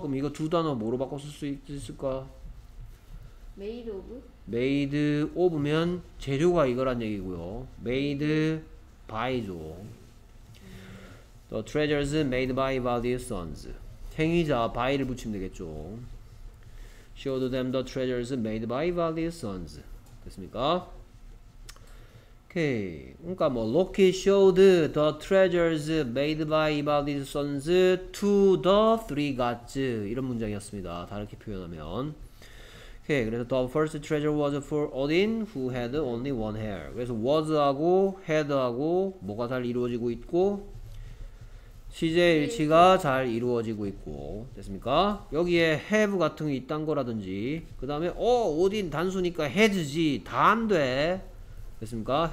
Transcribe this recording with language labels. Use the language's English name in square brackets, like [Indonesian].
[Korean] 그럼 이거 두 단어 뭐로 바꿔 쓸 수 있을까? [English] Made of? [Korean] Made of면 재료가 이거란 얘기고요. [English] Made by죠. The treasures made by Ivaldi's sons. [Korean] 행위자 by를 붙이면 되겠죠. [English] Showed them the treasures made by Ivaldi's sons. [Korean] 됐습니까? 오케이. 그러니까 뭐 [English] Loki showed the treasures made by Ivaldi's sons to the three gods [Korean] 이런 문장이었습니다. 다르게 표현하면. 오케이. [English] 그래서 the first treasure was for Odin who had only one hair. [Korean] 그래서 was하고 had하고 뭐가 잘 이루어지고 있고 시제 일치가 잘 이루어지고 있고. 됐습니까? 여기에 have 같은 게 있단 거라든지 그 다음에 Odin 단수니까 has지 다 안 돼. 됐습니까?